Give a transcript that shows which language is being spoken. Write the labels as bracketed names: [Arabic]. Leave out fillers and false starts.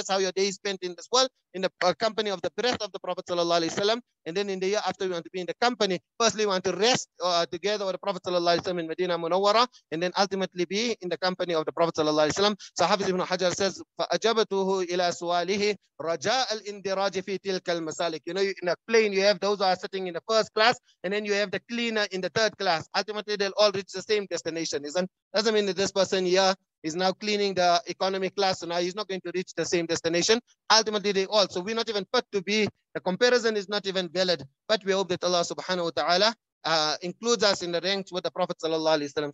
[English] That's how your day is spent in this world, in the company of the breath of the Prophet sallallahu alaihi wasallam. And then in the year after, we want to be in the company. Firstly, we want to rest together with the Prophet sallallahu alaihi wasallam in Medina Munawwara, and then ultimately be in the company of the Prophet sallallahu alaihi wasallam. So Hafiz Ibn Hajar says, [Arabic] فَأَجَبَتُهُ إِلَى سُوَالِهِ رَجَاءَ الْإِنْدِرَاجِ فِي تِلْكَ الْمَسَالِكِ. [English] You know, in a plane, you have those who are sitting in the first class, and then you have the cleaner in the third class. Ultimately, they'll all reach the same destination, isn't it? Doesn't mean that this person here is now cleaning the economy class, so now he's not going to reach the same destination. Ultimately, they all. So we're not even put to be, the comparison is not even valid. But we hope that Allah subhanahu wa ta'ala includes us in the ranks with the Prophet sallallahu alayhi wa sallam.